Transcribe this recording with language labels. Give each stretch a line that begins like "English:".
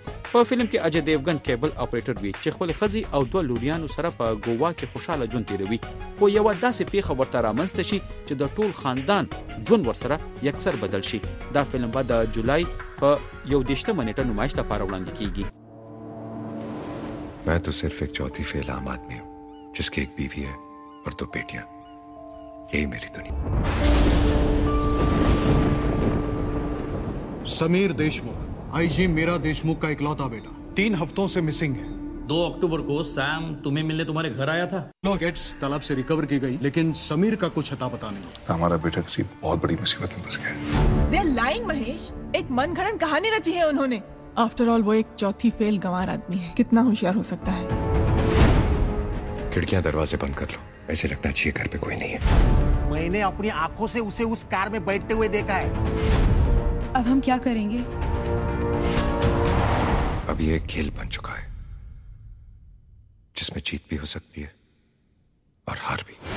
Pashto: په فلم کې اجے دیوگن کیبل اپریټر وی چې خپل خزی او دوه لوریانو سره په گووا کې خوشاله ژوند تیروي، خو یو داسې پیښه ورته رامنځته شي چې د ټول خاندان ژوند ورسره یکسر بدل شي. دا فلم به د جولای په 11 نیټه نمایښت لپاره وړاندې کیږي.
Urdu: میں تو صرف ایک چوتھی فیل عام آدمی ہوں جس کی ایک بیوی ہے اور دو بیٹیاں، یہی میری دنیا. سمیر دیشمکھ، آئی جی میرا دیشمکھ کا اکلوتا بیٹا، 3 ہفتوں سے مسنگ ہے. 2 اکتوبر کو سام تمہیں ملنے تمہارے گھر آیا تھا. نو گیٹس تالاب سے ریکور کی گئی، لیکن سمیر کا کچھ ہتا پتا نہیں. ہمارا بیٹا کسی بہت بڑی مصیبت میں پھنس گیا.
English: they are lying
Urdu: مہیش، ایک من گھڑن کہانی رچی ہے انہوں نے.
English: After all,
Urdu: وہ ایک چوتھی فیل گوار آدمی ہے، کتنا ہوشیار ہو سکتا ہے. کھڑکیاں دروازے بند کر لو، ایسے لگنا چاہیے گھر پہ کوئی نہیں ہے. میں نے اپنی آنکھوں سے اسے اس کار میں بیٹھتے ہوئے دیکھا ہے. اب ہم کیا کریں گے؟ اب یہ ایک کھیل بن چکا ہے جس میں جیت بھی ہو سکتی ہے اور ہار بھی.